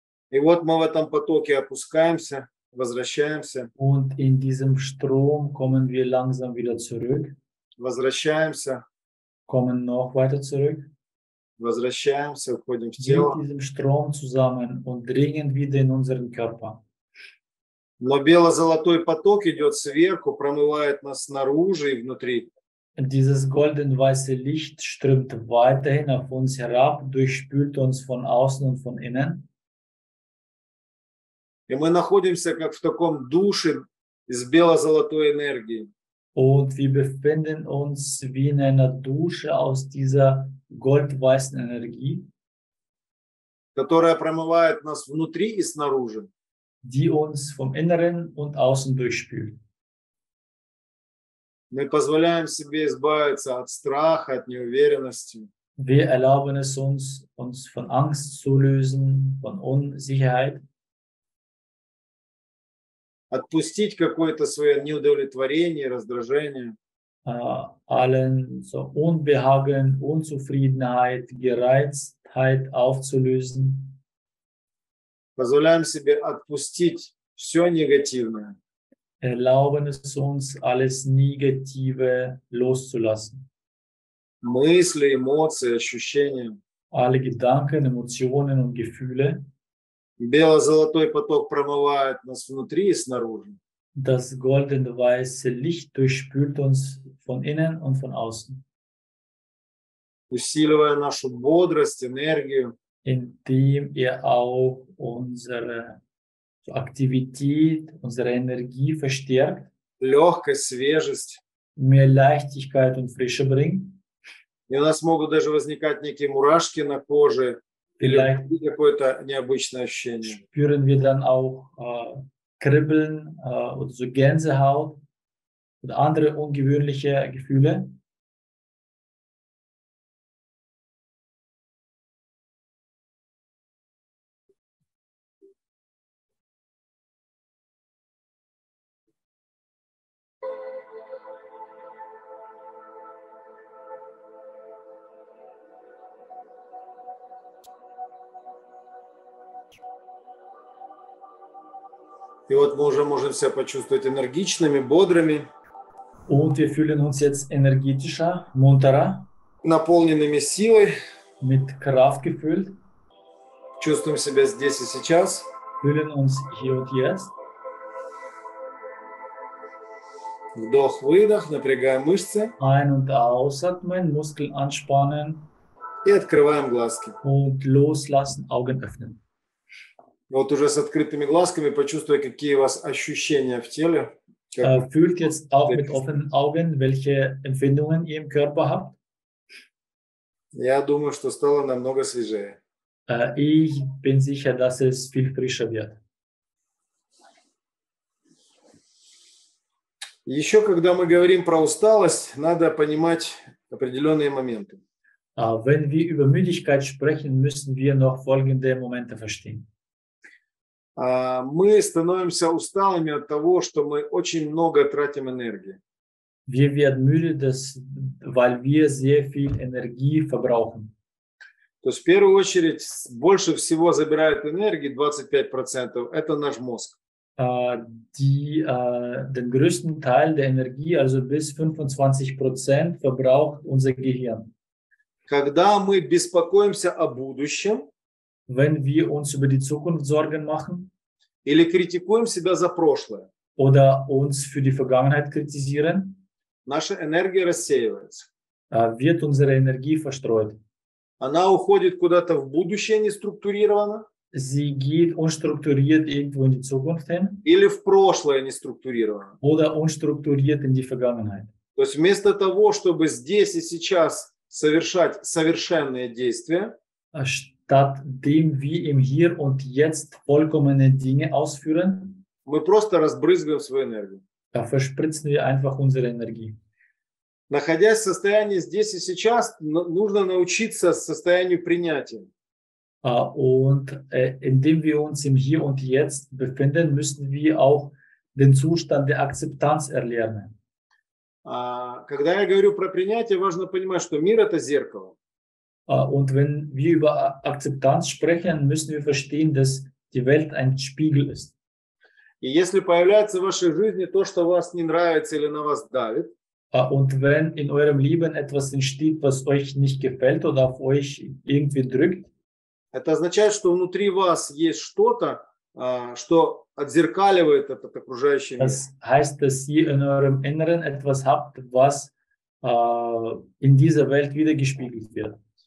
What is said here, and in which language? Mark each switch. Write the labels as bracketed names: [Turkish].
[Russian] И вот мы в этом потоке опускаемся, возвращаемся. [German] Und in diesem Strom kommen wir langsam wieder zurück. [Russian] Возвращаемся. [German] Kommen noch weiter zurück. [Russian] Возвращаемся, входим в тело. [German] In diesem Strom zusammen und dringen wieder in unseren Körper. [Russian] Но бело-золотой поток идет сверху, промывает нас снаружи и внутри. [German] Dieses golden-weiße Licht strömt weiterhin auf uns herab, durchspült uns von außen und von innen. [Russian] И мы находимся как в таком душе, из бело-золотой энергии. [German] Und wir befinden uns wie in einer Dusche aus dieser gold-weißen Energie, [Russian] которая промывает нас внутри и снаружи, [German] die uns vom Inneren und außen durchspült. [Russian] Мы позволяем себе избавиться от страха, от неуверенности. [German] Wir erlauben es uns, uns von Angst zu lösen, von Unsicherheit. [Russian] Отпустить какое-то свое неудовлетворение, раздражение. [German] Allen so Unbehagen, Unzufriedenheit, Gereiztheit aufzulösen. [Russian] Позволяем себе отпустить все негативное. [German] Erlauben es uns, alles Negative loszulassen. [Russian] Мысли, эмоции, ощущения. [German] Alle Gedanken, Emotionen und Gefühle. [Russian] Бело-золотой поток промывает нас внутри и снаружи. [German] Das golden-weiße Licht durchspült uns von innen und von außen. [Russian] Усиливая нашу бодрость, энергию. [German] Indem er auch unsere Aktivität, unsere Energie verstärkt. [Russian] Легкость, свежесть. [German] Mehr Leichtigkeit und Frische bringt. [Russian] И у нас могут даже возникать некие мурашки на коже. [German] Vielleicht [Russian] или какое-то необычное ощущение. [German] Spüren wir dann auch Kribbeln oder so Gänsehaut oder andere ungewöhnliche Gefühle. [Russian] И вот мы уже можем себя почувствовать энергичными, бодрыми. [German] Und wir fühlen uns jetzt energetischer, munterer. [Russian] Наполненными силой. [German] Mit Kraft gefüllt. [Russian] Чувствуем себя здесь и сейчас. [German] Fühlen uns hier und jetzt. [Russian] Вдох-выдох, напрягаем мышцы. [German] Ein- und ausatmen, Muskeln anspannen. [Russian] И открываем глазки. [German] Und loslassen, Augen öffnen. [Russian] Вот уже с открытыми глазками почувствуйте, какие у вас ощущения в теле. [German] Fühlt jetzt auch mit offenen Augen, welche Empfindungen ihr im Körper habt? [Russian] Я думаю, что стало намного свежее. [German] Ich bin sicher, dass es viel frischer wird. [Russian] Еще когда мы говорим про усталость, надо понимать определенные моменты. [German] Wenn wir über Müdigkeit sprechen, müssen wir noch folgende Momente verstehen. [Russian] Мы становимся усталыми от того, что мы очень много тратим энергии. [German] Wir werden müde, weil wir sehr viel Energie verbrauchen. [Russian] То есть в первую очередь больше всего забирает энергии 25% – это наш мозг. [German] Den größten Teil der Energie, also bis 25%, verbraucht unser Gehirn. [Russian] Когда мы беспокоимся о будущем, [German] wenn wir uns über die Zukunft Sorgen machen [Russian] или критикуем себя за прошлое, [German] oder uns für die Vergangenheit kritisieren, [Russian] наша энергия рассеивается, [German] wird unsere Energie verstreut. [Russian] Она уходит куда-то в будущее неструктурированно, [German] sie geht unstrukturiert irgendwo in die Zukunft hin, [Russian] или в прошлое неструктурированно, [German] oder unstrukturiert in die Vergangenheit. [Russian] То есть вместо того, чтобы здесь и сейчас совершать совершенные действия, [German] statt dem wir im Hier und Jetzt vollkommene Dinge ausführen, [Russian] мы просто разбрызгиваем свою энергию. [German] Da verspritzen wir einfach unsere Energie. [Russian] Находясь в состоянии здесь и сейчас, нужно научиться состоянию принятия. [German] Indem wir uns im Hier und Jetzt befinden, müssen wir auch den Zustand der Akzeptanz erlernen. [Russian] Когда я говорю про принятие, важно понимать, что мир – это зеркало. [German] Und wenn wir über Akzeptanz sprechen, müssen wir verstehen, dass die Welt ein Spiegel ist. [Russian] И если появляется в вашей жизни то, что вас не нравится или на вас давит, [German] und wenn in eurem Leben etwas entsteht, was euch nicht gefällt oder auf euch irgendwie drückt, [Russian] это означает, что внутри вас есть что-то, что отзеркаливает этот окружающий мир. [German] Das heißt, dass ihr in eurem Inneren etwas habt, was in dieser Welt wiedergespiegelt wird.